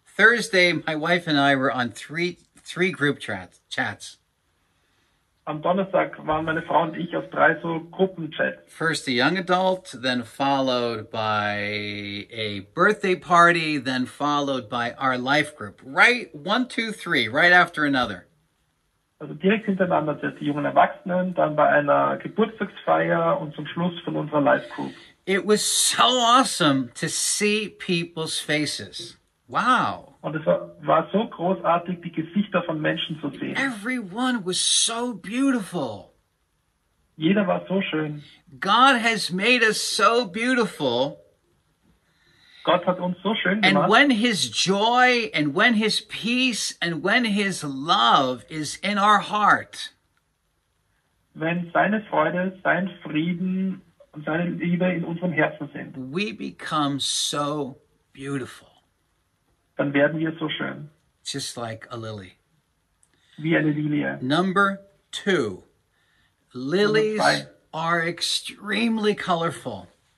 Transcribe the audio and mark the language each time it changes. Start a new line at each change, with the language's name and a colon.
English: Thursday, my wife and I were on three group chats.
German: Am Donnerstag waren meine Frau und ich auf drei so Gruppenchats.
English: First a young adult, then followed by a birthday party, then followed by our life group. Right, one, two, three, right after another.
German: Also direkt hintereinander sind die jungen Erwachsenen, dann bei einer Geburtstagsfeier und zum Schluss von unserer Life Group.
English: It was so awesome to see people's faces. Wow.
German: Und es war so großartig, die Gesichter von Menschen zu sehen.
English: Everyone was so beautiful.
German: Jeder war so schön.
English: God has made us so beautiful.
German: Gott hat uns so schön gemacht.
English: And when his joy and when his peace and when his love is in our heart.
German: Wenn seine Freude, sein Frieden und seine Liebe in unserem Herzen sind.
English: We become so beautiful.
German: Dann werden wir so schön.
English: Just like a lily.
German: Wie eine Lilie.
English: Number two. Lilies are extremely colorful.